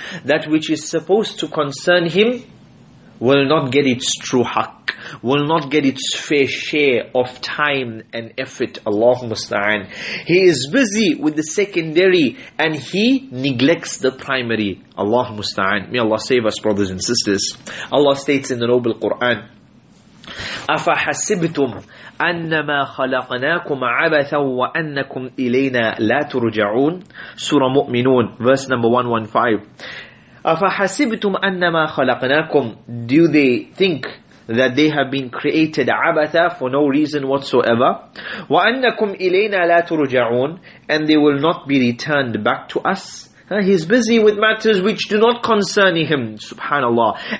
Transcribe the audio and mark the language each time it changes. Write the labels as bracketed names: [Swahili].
[English] That which is supposed to concern him will not get its true haqq, will not get its fair share of time and effort. Allahumma musta'an. He is busy with the secondary and he neglects the primary. Allahumma musta'an. May Allah save us, brothers and sisters. Allah states in the Noble Quran, [Arabic] أَفَحَسِبْتُمْ أَنَّمَا خَلَقْنَاكُمْ عَبَثًا وَأَنَّكُمْ إِلَيْنَا لَا تُرْجَعُونَ [English] Surah Mu'minun, verse number 115. [Arabic] أَفَحَسِبْتُمْ أَنَّمَا خَلَقْنَاكُمْ [English] Do they think that they have been created abatha for no reason whatsoever? [Arabic] وَأَنَّكُمْ إِلَيْنَا لَا تُرْجَعُونَ [English] And they will not be returned back to us. He's busy with matters which do not concern him, subhanAllah.